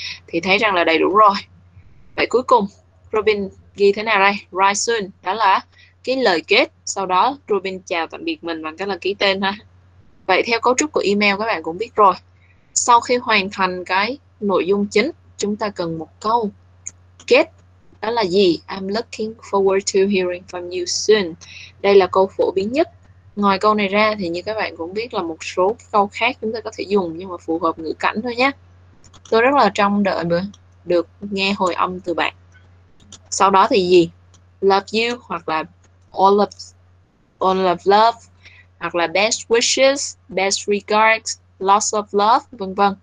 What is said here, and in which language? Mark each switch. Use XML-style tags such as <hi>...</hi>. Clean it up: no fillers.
<vi>Thì thấy rằng là đầy đủ rồi. Vậy cuối cùng, Robin ghi thế nào đây?</vi> <en>Rise soon,</en> <vi>đó là cái lời kết. Sau đó, Robin chào tạm biệt mình bằng cách là ký tên ha. Vậy theo cấu trúc của email các bạn cũng biết rồi. Sau khi hoàn thành cái nội dung chính, chúng ta cần một câu kết. Đó là gì?</vi> <en>I'm looking forward to hearing from you soon.</en> <vi>Đây là câu phổ biến nhất. Ngoài câu này ra thì như các bạn cũng biết là một số câu khác chúng ta có thể dùng nhưng mà phù hợp ngữ cảnh thôi nhé. Tôi rất là trông đợi được nghe hồi âm từ bạn. Sau đó thì gì?</vi> <en>Love you</en> <vi>hoặc là</vi> <en>all of love</en> <vi>hoặc là</vi> <en>best wishes, best regards, lots of love,</en> <vi>vân vân.</vi>